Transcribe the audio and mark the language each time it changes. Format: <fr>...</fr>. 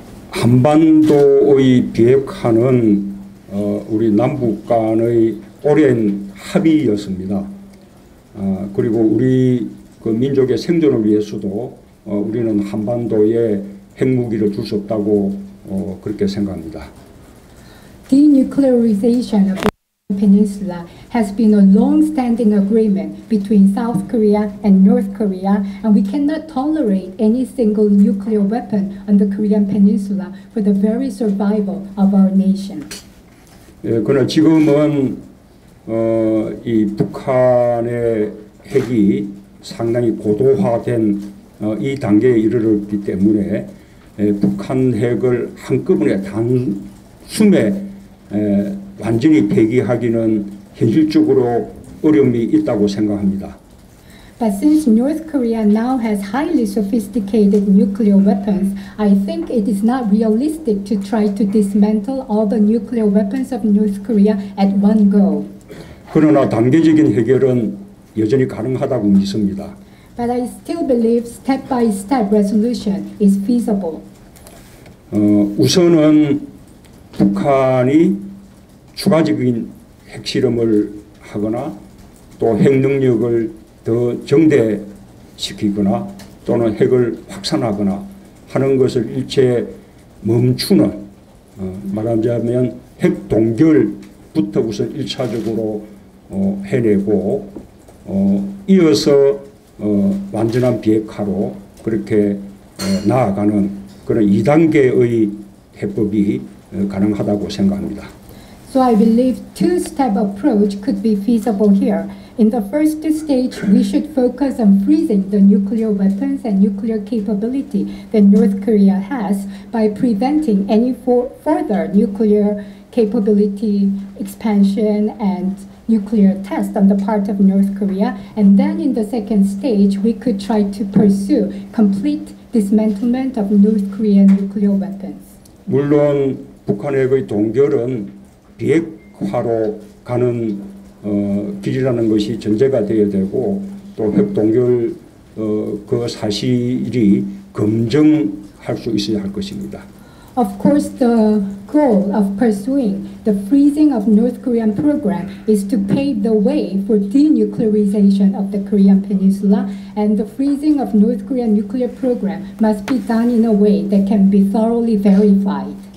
<ko>한반도의 비핵화는 우리 남북 간의 오랜 합의였습니다. 그리고 우리 그 민족의 생존을 위해서도 우리는 한반도에 핵무기를 줄 수 없다고 그렇게 생각합니다.</ko> <en>Denuclearization of the peninsula has been a long-standing agreement between South Korea and North Korea, and we cannot tolerate any single nuclear weapon on the Korean Peninsula for the very survival of our nation.</en> <ko>예, 그러나 지금은 이 북한의 핵이 상당히 고도화된 이 단계에 이르렀기 때문에 북한 핵을 한꺼번에 단숨에 완전히 폐기하기는 현실적으로 어려움이 있다고 생각합니다.</ko> <en>But since North Korea now has highly sophisticated nuclear weapons, I think it is not realistic to try to dismantle all the nuclear weapons of North Korea at one go.</en> <ko>그러나 단계적인 해결은 여전히 가능하다고 믿습니다.</ko> <en>But I still believe step-by-step resolution is feasible.</en> <ko>우선은 북한이 추가적인 핵실험을 하거나 또 핵능력을 더 증대시키거나 또는 핵을 확산하거나 하는 것을 일체 멈추는 말하자면 핵 동결부터 우선 1차적으로 해내고 이어서 완전한 비핵화로 그렇게 나아가는 그런 2단계의 해법이 가능하다고 생각합니다.</ko> <en>So I believe two-step approach could be feasible here. In the first stage, we should focus on freezing the nuclear weapons and nuclear capability that North Korea has by preventing any further nuclear capability expansion and nuclear test on the part of North Korea. And then in the second stage, we could try to pursue complete dismantlement of North Korean nuclear weapons.</en> <ko>물론 북한의 그 동결은 비핵화로 가는 길이라는 것이 전제가 되어야 되고 또 핵 동결 그 사실이 검증할 수 있어야 할 것입니다.</ko> <en>Of course, the goal of pursuing the freezing of North Korean program is to pave the way for denuclearization of the Korean Peninsula, and the freezing of North Korean nuclear program must be done in a way that can be thoroughly verified.</en>